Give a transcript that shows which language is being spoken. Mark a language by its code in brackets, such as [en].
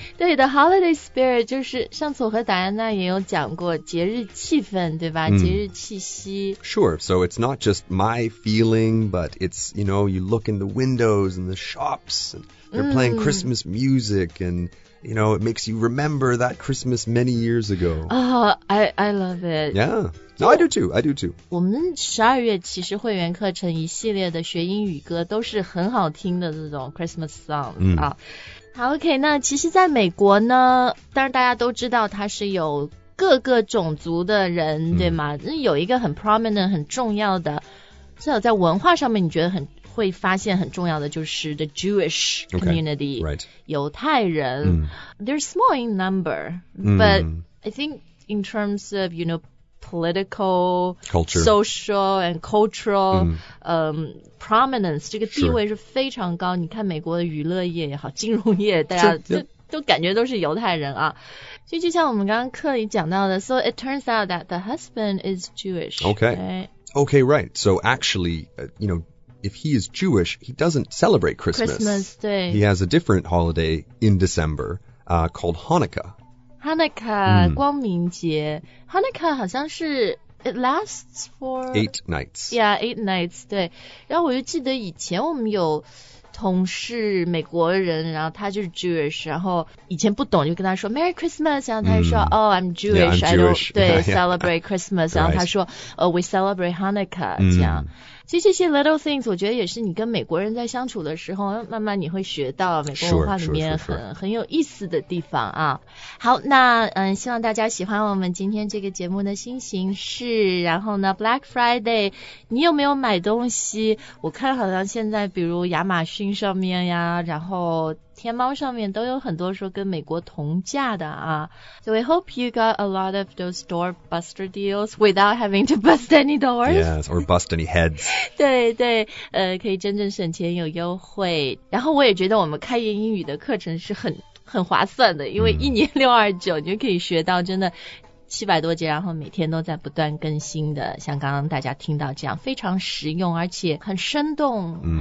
[zh] 对 , [en] the holiday spirit [zh] 就是上次我和戴安娜也有讲过节日气氛对吧、节日气息。 [en] Sure, so it's not just my feeling, but it's, you know, you look in the windows and the shops andThey're playing Christmas music and, you know, it makes you remember that Christmas many years ago. Oh, I love it. Yeah. No, I do too. I do too. [zh] 我们12月其实会员课程一系列的学英语歌都是很好听的这种 Christmas song. 好 ,OK, 那其实在美国呢当然大家都知道它是有各个种族的人对吗有一个很 prominent, 很重要的至少在文化上面你觉得很会发现很重要的就是 [en] the Jewish community, okay, right. [zh] 犹太人。 [en] They're small in number, but I think in terms of, you know, political, culture, social and cultural、嗯 prominence, [zh] 这个地位是非常高。你看美国的娱乐业也好，金融业，大家都感觉都是犹太人啊。所以就像我们刚刚课里讲到的 [en] ,so it turns out that the husband is Jewish. Okay. Right? Okay, right. So actually, you know, if he is Jewish, he doesn't celebrate Christmas. Christmas, 对。 He has a different holiday in December, called Hanukkah. Hanukkah,、mm. [zh] 光明节 Hanukkah 好像是 [en] It lasts for 8 nights. Yeah, 8 nights, 对。 [zh] 然后我就记得以前我们有同事美国人，然后他就是 Jewish, 然后以前不懂就跟他说 Merry Christmas, 然后他就说、mm. [en] Oh, I'm Jewish, yeah, I'm Jewish. I don't celebrate Christmas, [zh] 然后他说、 [en] right. Oh, we celebrate Hanukkah,、mm. [zh] 这样。其实这些 little things 我觉得也是你跟美国人在相处的时候慢慢你会学到美国文化里面 很有意思的地方啊。好，那希望大家喜欢我们今天这个节目的新形式。然后呢 Black Friday 你有没有买东西？我看好像现在比如亚马逊上面呀，然后天猫上面都有很多说跟美国同价的啊。 [en] So we hope you got a lot of those door buster deals without having to bust any doors. Yes, or bust any heads. [zh] 对对，可以真正省钱有优惠。然后我也觉得我们开言英语的课程是很划算的，因为一年629你就可以学到真的700多节，然后每天都在不断更新的，像刚刚大家听到这样非常实用而且很生动、mm.